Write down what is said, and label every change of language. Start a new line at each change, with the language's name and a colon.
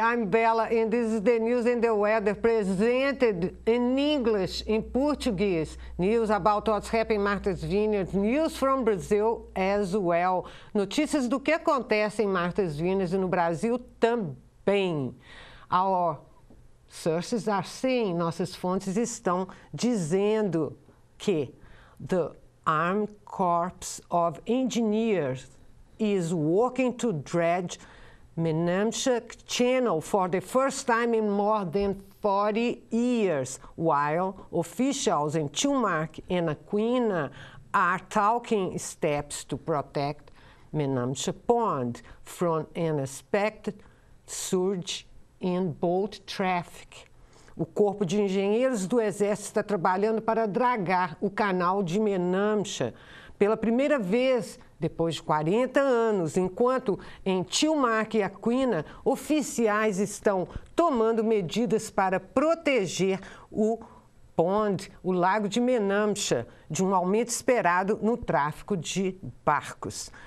English: I'm Bella, and this is the news and the weather presented in English, in Portuguese. News about what's happening in Martha's Vineyard. News from Brazil as well.
Portuguese: Notícias do que acontece em Martha's Vineyard e no Brasil também.
English: Our sources are saying,
Portuguese: nossas fontes estão dizendo que
English: the Armed Corps of Engineers is working to dredge Menamchuk Channel for the first time in more than 40 years, while officials in Chumak and Aquina are talking steps to protect Menamchuk Pond from an expected surge in boat traffic.
Portuguese: O Corpo de Engenheiros do Exército está trabalhando para dragar o canal de Menamchuk pela primeira vez depois de 40 anos, enquanto em Chilmark e Aquina, oficiais estão tomando medidas para proteger o pond, o lago de Menamchuk, de um aumento esperado no tráfego de barcos.